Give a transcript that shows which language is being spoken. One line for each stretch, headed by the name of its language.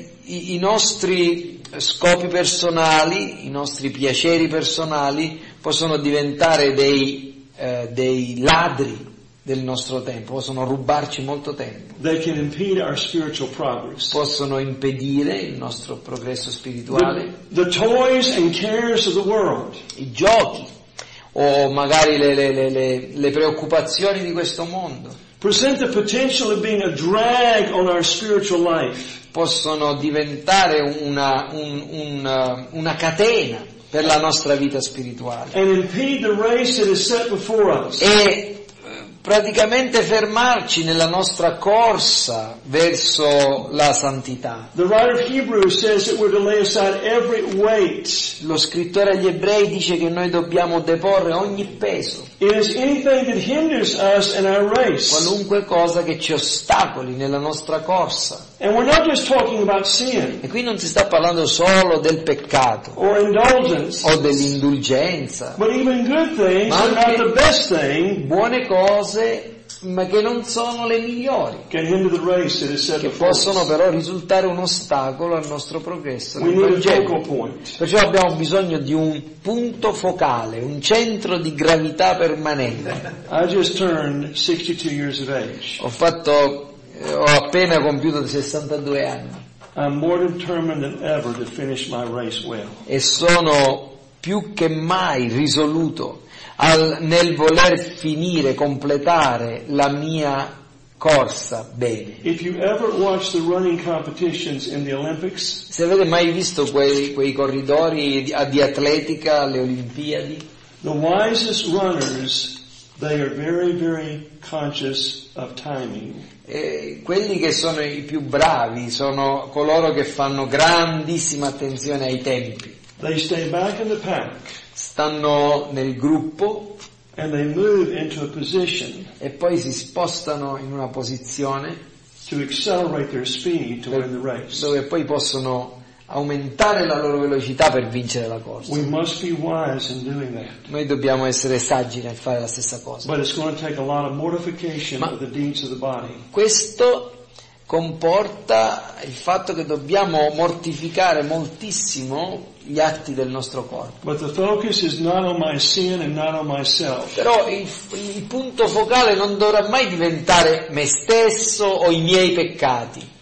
Italian: I nostri scopi personali, i nostri piaceri personali possono diventare dei ladri del nostro tempo, possono rubarci molto tempo.
English: They can impede our spiritual progress.
Italian: Possono impedire il nostro progresso spirituale.
English: The toys and cares of the world.
Italian: I giochi o magari le preoccupazioni di questo mondo.
English: Present the potential of being a drag on our spiritual life.
Italian: Possono diventare una catena per la nostra vita spirituale.
English: And impede the race that is set before us.
Italian: E praticamente fermarci nella nostra corsa verso la santità.
English: The writer of Hebrews says that we're to lay aside every weight.
Italian: Lo scrittore agli ebrei dice che noi dobbiamo deporre ogni peso.
English: It is anything that hinders us in our race.
Italian: Qualunque cosa che ci ostacoli nella nostra corsa.
English: And we're not just talking about sin.
Italian: E qui non si sta parlando solo del peccato.
English: Or indulgence.
Italian: O dell'indulgenza.
English: But even good things are not the best thing.
Italian: Buone cose, ma che non sono le migliori.
English: Can hinder the race that is set.
Italian: Che possono però risultare un ostacolo al nostro progresso.
English: We need a focal point.
Italian: Perciò abbiamo bisogno di un punto focale, un centro di gravità permanente.
English: I just turned 62 years of age.
Italian: Ho appena compiuto 62 anni.
English: I'm more determined than ever to finish my race well.
Italian: E sono più che mai risoluto nel voler finire, completare la mia corsa bene.
English: If you ever watch the running competitions in the Olympics,
Italian: se avete mai visto quei corridori di atletica alle Olimpiadi,
English: the wisest runners, they are very, very conscious of timing.
Italian: Quelli che sono i più bravi sono coloro che fanno grandissima attenzione ai tempi.
English: They stay back in the pack.
Italian: Stanno nel gruppo.
English: And they move into a position.
Italian: E poi si spostano in una posizione.
English: To accelerate their speed to win the race.
Italian: Dove poi possono aumentare la loro velocità per vincere la corsa.
English: We must be wise in doing that.
Italian: Noi dobbiamo essere saggi nel fare la stessa cosa.
English: But it's going to take a lot of mortification of the deeds of the body.
Italian: Questo comporta il fatto che dobbiamo mortificare moltissimo gli atti del nostro corpo.
English: But the focus is not on my sin and not on myself.
Italian: Però il punto focale non dovrà mai diventare me stesso o i miei peccati.